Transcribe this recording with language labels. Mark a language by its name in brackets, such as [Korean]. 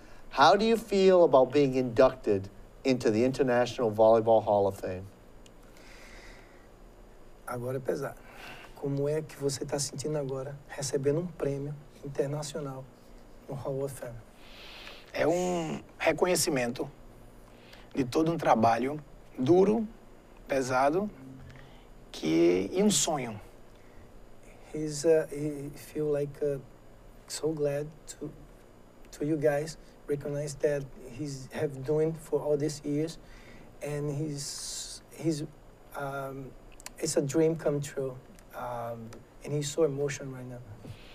[English] How do you feel about being inducted into the International Volleyball Hall of Fame? [Portuguese] Agora é pesado. Como é que você está sentindo agora recebendo prêmio internacional no Hall of Fame? É reconhecimento de todo trabalho duro, pesado, e sonho. [English] He feel like so glad to you guys. Recognize that he's have doing for all these years, and it's a dream come true, and he's so emotional right now.